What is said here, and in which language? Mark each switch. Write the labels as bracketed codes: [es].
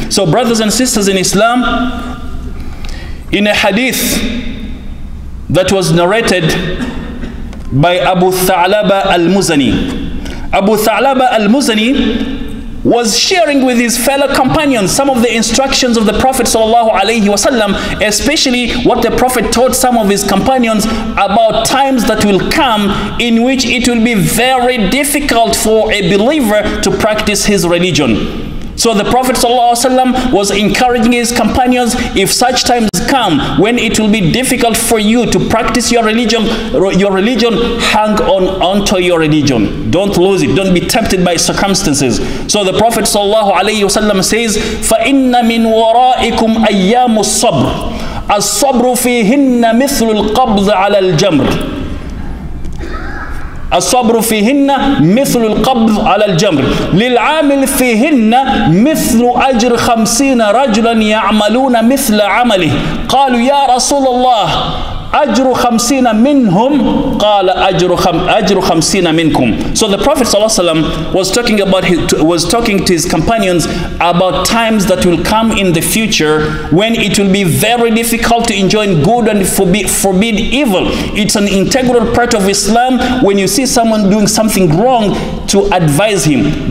[en] So brothers and sisters in Islam, in a hadith that was narrated by Abu Tha'laba al-Muzani, Abu Tha'laba al-Muzani was sharing with his fellow companions some of the instructions of the Prophet sallallahu alaihi wasallam, especially what the Prophet taught some of his companions about times that will come in which it will be very difficult for a believer to practice his religion. So the Prophet sallallahu alaihi wasallam was encouraging his companions, if such times come when it will be difficult for you to practice your religion, hang on onto your religion. Don't lose it. Don't be tempted by circumstances. So the Prophet sallallahu alaihi wasallam says, [ar] فَإِنَّ مِنْ وَرَائِكُمْ أَيَّامُ الصَّبْرِ الصَّبْرُ فِيهِنَّ مِثْلُ الْقَبْضِ عَلَى الْجَمْرِ الصبر فيهن مثل القبض على الجمر للعامل فيهن مثل أجر 50 رجلا يعملون مثل عمله قالوا يا رسول الله أجر 50 منهم قال أجر 50 منكم. [en] So the Prophet sallallahu alaihi wasallam was talking to his companions about times that will come in the future when it will be very difficult to enjoin good and forbid evil. It's an integral part of Islam when you see someone doing something wrong to advise him.